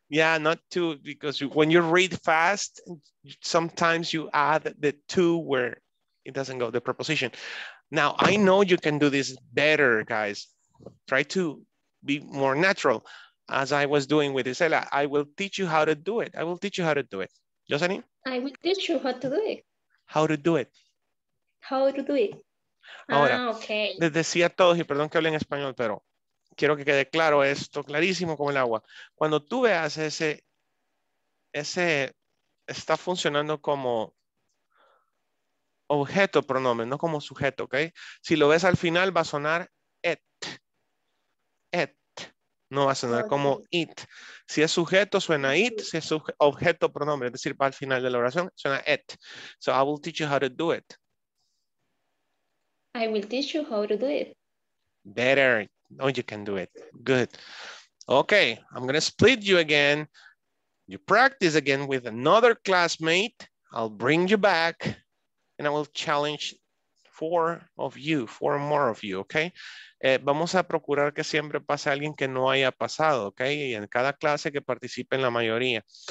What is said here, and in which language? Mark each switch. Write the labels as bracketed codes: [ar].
[en] Yeah, not two, because when you read fast, sometimes you add the two where it doesn't go, the preposition. Now, I know you can do this better, guys. Try to be more natural, as I was doing with Isela. I will teach you how to do it. I will teach you how to do it. Jocelyn? I will teach you how to do it. How to do it. How to do it. [es] Ahora, [en] okay. [es] Les decía a todos, y perdón que hable en español, pero quiero que quede claro esto, clarísimo como el agua. Cuando tú veas ese está funcionando como objeto pronombre, no como sujeto, ¿ok? Si lo ves al final va a sonar et. Et. No va a sonar okay. Como it. Si es sujeto, suena it. Si es objeto pronombre, es decir, va al final de la oración, suena et. [en] So I will teach you how to do it. I will teach you how to do it. Better. No, you can do it. Good. Okay, I'm going to split you again. You practice again with another classmate. I'll bring you back and I will challenge four more of you, okay? [es] Vamos a procurar que siempre pase alguien que no haya pasado, okay? Y en cada clase que participe en la mayoría.